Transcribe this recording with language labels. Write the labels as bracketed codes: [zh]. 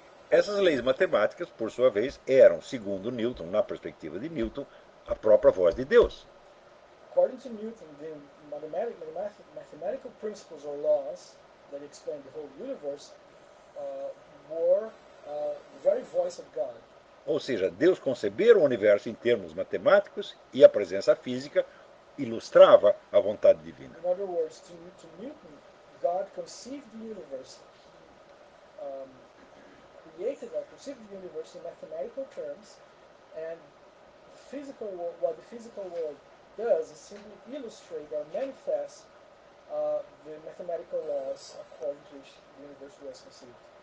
[pt] Essas leis matemáticas, por sua vez, eram, segundo Newton, na perspectiva de Newton, a própria voz de Deus. [en] According to Newton, the mathematical principles or laws that explain the whole universe were the very voice of God. [pt] Ou seja, Deus concebera o universo em termos matemáticos e a presença física ilustrava a vontade divina. [en] In other words, to Newton, God conceived the universe, created or conceived the universe in mathematical terms, and the physical world, what the physical world does is simply illustrate or manifest the mathematical laws according to which the universe was conceived.